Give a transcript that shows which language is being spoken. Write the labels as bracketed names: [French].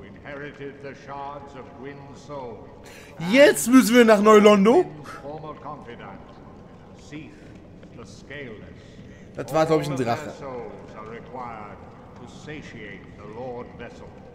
[English] inherited the shards of Gwyn's soul. [German] Jetzt müssen wir nach Neulondo. [English] Former confidant, Seath, the Scaleless. [German] Das war, glaube ich, ein Drache. [English] All of their souls are required to satiate the Lord Vessel.